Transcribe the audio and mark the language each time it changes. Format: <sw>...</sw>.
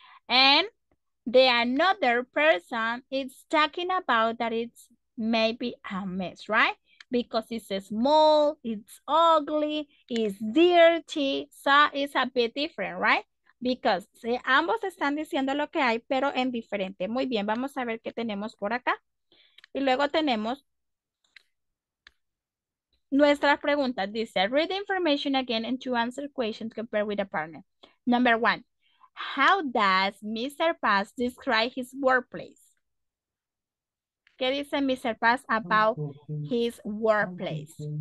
<en>And the another person is talking about that it's maybe a mess, right? Because it's small, it's ugly, it's dirty, so it's a bit different, right? Because</en> <es>sí, ambos están diciendo lo que hay, pero en diferente. Muy bien, vamos a ver qué tenemos por acá. Y luego tenemos nuestras preguntas. Dice,</es> <en>read the information again and to answer questions compared with a partner. Number one, how does Mr. Paz describe his workplace?</en> <es>¿Qué dice</es> <en>Mr. Paz about his workplace?</en>